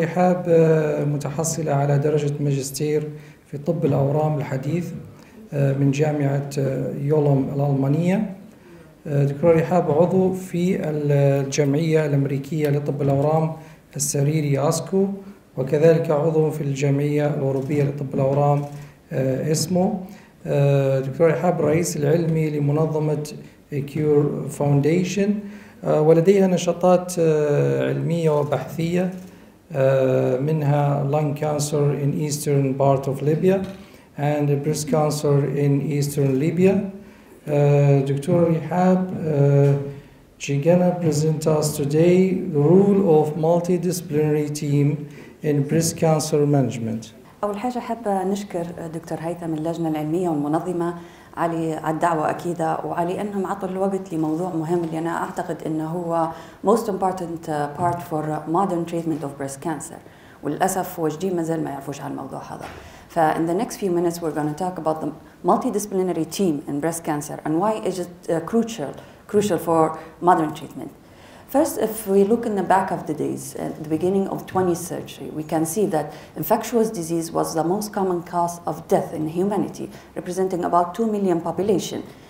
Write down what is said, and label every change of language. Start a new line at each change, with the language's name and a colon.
Arabic: Rehab متحصلة على درجة ماجستير في طب الأورام الحديث من جامعة يولم الألمانية. دكتورة ريحاب عضو في الجمعية الأمريكية لطب الأورام السريري ASCO، وكذلك عضو في الجمعية الأوروبية لطب الأورام ESMO. دكتورة ريحاب رئيس العلمي لمنظمة كيور فاونديشن، ولديها نشاطات علمية وبحثية منها
English: lung cancer in eastern part of Libya and breast cancer in eastern Libya. Doctor ريحاب she gonna present us today the role of multidisciplinary team in breast cancer management.
Arabic: أول حاجة حابة نشكر دكتور هيثم اللجنة العلمية والمنظمة على الدعوة أكيدة، وعلى أنهم عطوا الوقت لموضوع مهم اللي أنا أعتقد أنه هو
English: most important part for modern treatment of breast cancer،
Arabic: وللأسف وجدي مازال ما يعرفوش على الموضوع هذا.
English: ف in the next few minutes we're going to talk about the multidisciplinary team in breast cancer and why is it crucial for modern treatment. First, if we look in the back of the days, at the beginning of 20th century, we can see that infectious disease was the most common cause of death in humanity, representing about 2 million population.